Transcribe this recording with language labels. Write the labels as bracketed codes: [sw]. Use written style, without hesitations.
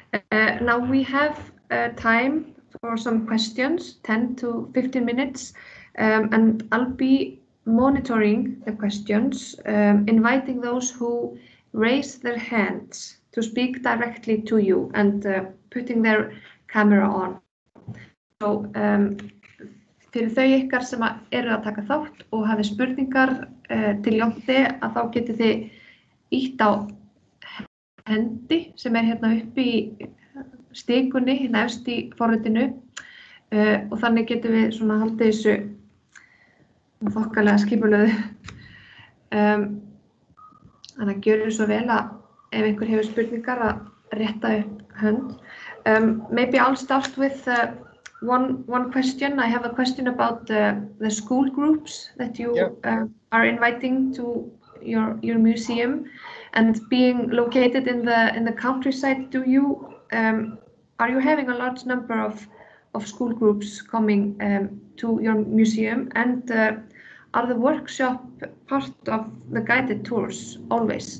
[en] Now we have time for some questions, 10 to 15 minutes, and I'll be monitoring the questions, inviting those who raise their hands to speak directly to you and putting their camera on. [is] So, fyrir þau ykkar sem eru að taka þátt og hafi spurningar til Jonte, að þá getið þið ítt á hendi sem hérna uppi í stikunni, hérna efst í forritinu, og þannig getum við svona haldið þessu þokkalega skipulöðu. Þannig að gjörum svo vel að ef einhver hefur spurningar að rétta upp hönd. [en] Maybe I'll start with one question. I have a question about the school groups that you are inviting to your museum, and being located in the countryside, do you are you having a large number of school groups coming to your museum, and are the workshop part of the guided tours always?